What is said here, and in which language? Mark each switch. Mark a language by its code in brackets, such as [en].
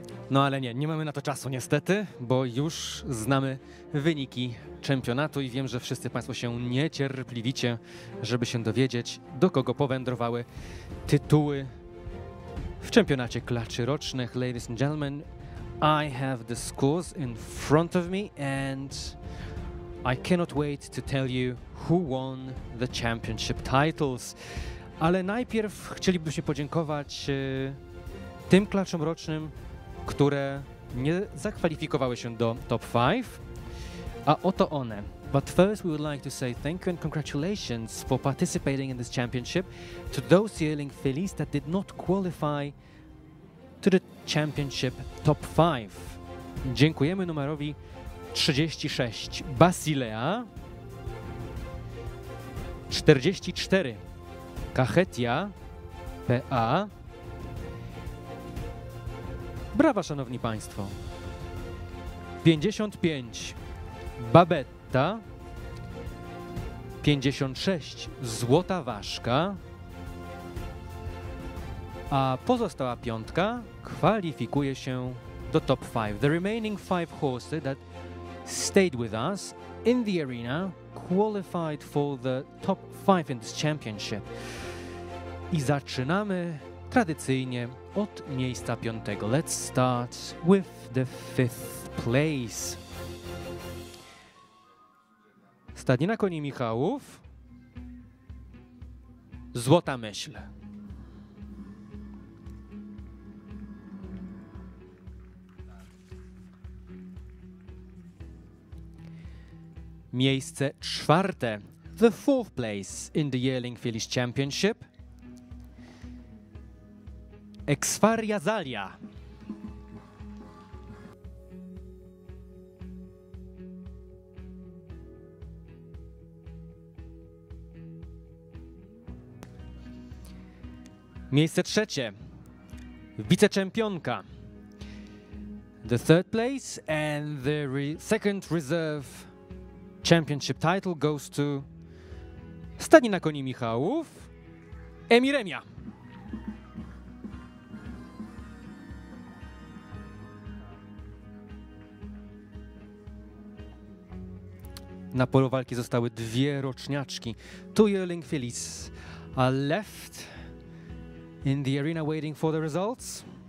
[pl] No ale nie mamy na to czasu niestety, bo już znamy wyniki czempionatu i wiem, że wszyscy Państwo się niecierpliwicie, żeby się dowiedzieć, do kogo powędrowały tytuły w czempionacie klaczy rocznych. [en] Ladies and gentlemen, I have the scores in front of me and I cannot wait to tell you who won the championship titles. [pl] Ale najpierw chcielibyśmy podziękować tym klaczom rocznym, które nie zakwalifikowały się do top 5, a oto one. [en] But first we would like to say thank you and congratulations for participating in this championship to those yearling fillies that did not qualify to the championship top 5. [pl] Dziękujemy numerowi 36 Basilea, 44 Cachetia PA. Brawa, szanowni państwo. 55 Babetta, 56 Złota Ważka, a pozostała piątka kwalifikuje się do top 5. [en] The remaining 5 horses that stayed with us in the arena qualified for the top 5 in this championship. [pl] I zaczynamy tradycyjnie od miejsca piątego. [en] Let's start with the fifth place. [pl] Stadnina koni Michałów. Złota Myśl. Miejsce czwarte. [en] The fourth place in the Yearling Fillies Championship. Exfaria Zalia. [pl] Miejsce trzecie. Wicechampionka. [en] The third place and the second reserve championship title goes to [pl] Stadnina koni Michałów. Emiremia. Na polu walki zostały dwie roczniaczki. [en] Two yearling fillies are left in the arena waiting for the results.